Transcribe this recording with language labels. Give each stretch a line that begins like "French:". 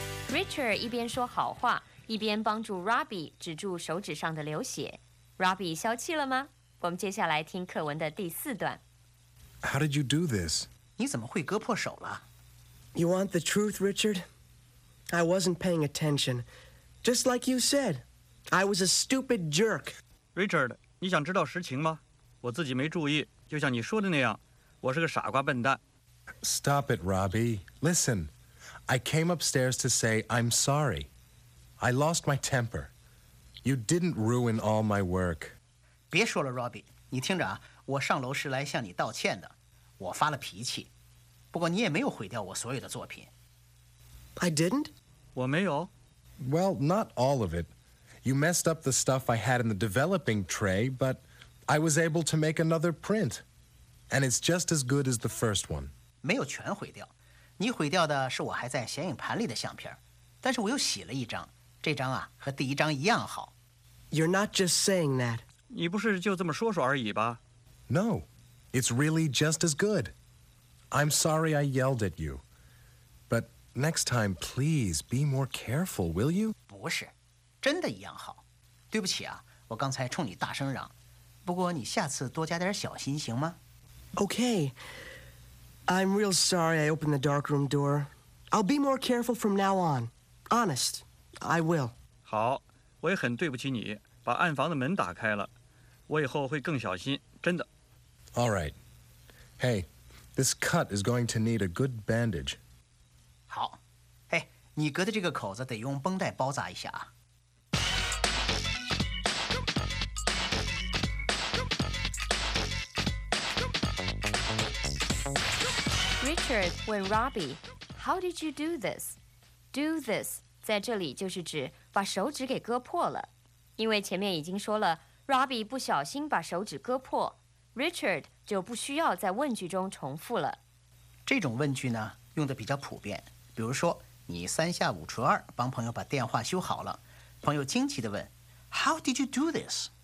Chinese: Richard 一边说好话，一边帮助 Robbie 止住手指上的流血。 Robbie 消气了吗？我们接下来听课文的第四段。
English: How did you do this？
Chinese: 你怎么会割破手了？
English: You want the truth, Richard? I wasn't paying attention. Just like you said, I was a stupid jerk.
Chinese: Richard, 你想知道实情吗？我自己没注意，就像你说的那样，我是个傻瓜笨蛋。
English: Stop it, Robbie. Listen, I came upstairs to say I'm sorry. I lost my temper. You didn't ruin all my work.
Chinese: 别说了 ,Robbie. 你听着啊，我上楼是来向你道歉的。我发了脾气。不过你也没有毁掉我所有的作品。
English: I didn't?
Chinese: 我没有。
English: Well, not all of it. You messed up the stuff I had in the developing tray, but I was able to make another print. And it's just as good as the first one.
Chinese: 没有全毁掉。你毁掉的是我还在显影盘里的相片。但是我又洗了一张。这张啊，和第一张一样好。
English: You're not just saying that.
Chinese: 你不是就这么说说而已吧？
English: No, it's really just as good. I'm sorry I yelled at you. But next time, please be more careful, will you?
Chinese: 不是，真的一样好。对不起啊，我刚才冲你大声嚷。不过你下次多加点小心行吗？
English: Okay. I'm real sorry I opened the darkroom door. I'll be more careful from now on. Honest, I will.
Chinese: 好，我也很对不起你，把暗房的门打开了。我以后会更小心，真的。
English: All right. Hey. This cut is going to need a good bandage.
Chinese: 好，嘿，你割的这个口子得用绷带包扎一下啊。 Richard 问 Robbie,
English: "How did you do this?" Do this
Chinese: 在这里就是指把手指给割破了，因为前面已经说了 ，Robbie 不小心把手指割破。 Richard 就不需要在问句中重复了。这种问句呢，用的比较普遍。比如说，你三下五除二帮朋友把电话修好了，朋友惊奇地问 ：
English: “How did you do this？